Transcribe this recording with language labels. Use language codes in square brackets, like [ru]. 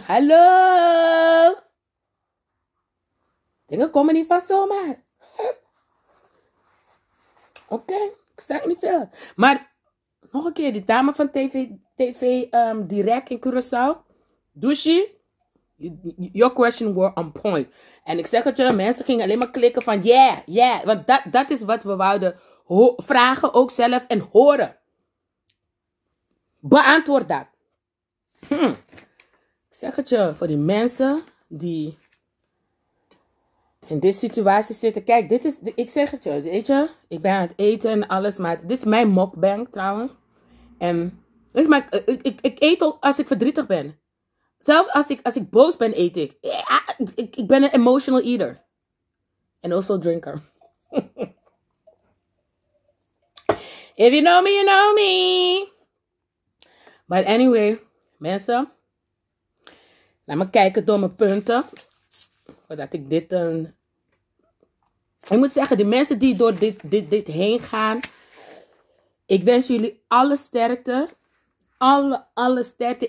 [nl] Hallo! Dingen komen niet van zomaar. Oké, okay, ik zeg niet veel. Maar, nog een keer, die dame van TV Direct in Curaçao. [pap] Douchi. [en] Your question was on point. [nl] En ik zeg het je, mensen gingen alleen maar klikken van yeah, yeah. Want dat is wat we wouden vragen ook zelf en horen. Beantwoord dat. Ik zeg het je, voor die mensen die in deze situatie zitten. Kijk, dit is, ik zeg het je, weet je. Ik ben aan het eten en alles, maar dit is mijn mukbang trouwens. En weet je, maar ik eet al als ik verdrietig ben. Zelfs als ik boos ben, eet ik. Ja, ik ben een emotional eater. [en] And also drinker. If you know me, you know me. But anyway, mensen. [nl] Laat me kijken door mijn punten. Voordat ik dit een... Ik moet zeggen, de mensen die door dit heen gaan. Ik wens jullie alle sterkte. Alle sterkte.